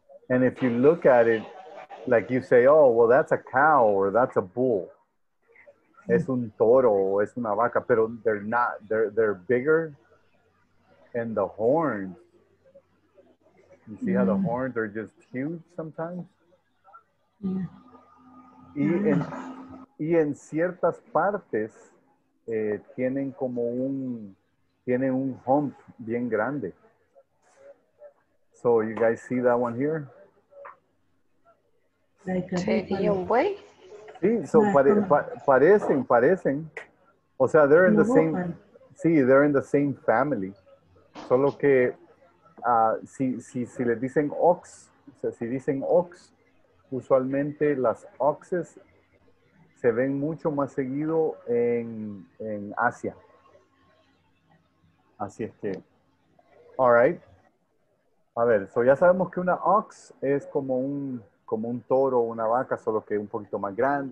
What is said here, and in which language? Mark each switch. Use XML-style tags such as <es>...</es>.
<en>And if you look at it, like you say, oh, well, that's a cow or that's a bull.</en> <es>Es un toro, es una vaca, pero</es> <en>they're not, they're bigger. And the horns, you see how the horns are just huge sometimes? Yeah.</en> <es>Y en ciertas partes, tienen como un hump bien grande.</es> <en>So you guys see that one here?</en> <es>¿Y un buey? Sí,</es> <en>so</en> <es>parecen. O sea,</es> <en>they're in the same, they're in the same family.</en> <es>Solo que si les dicen ox, o sea, si dicen ox, usualmente las oxes se ven mucho más seguido en Asia. Así es que,</es> <en>all right.</en> <es>A ver,</es> <en>so</en> <es>ya sabemos que una ox es como un toro o una vaca, solo que un poquito más grande.</es>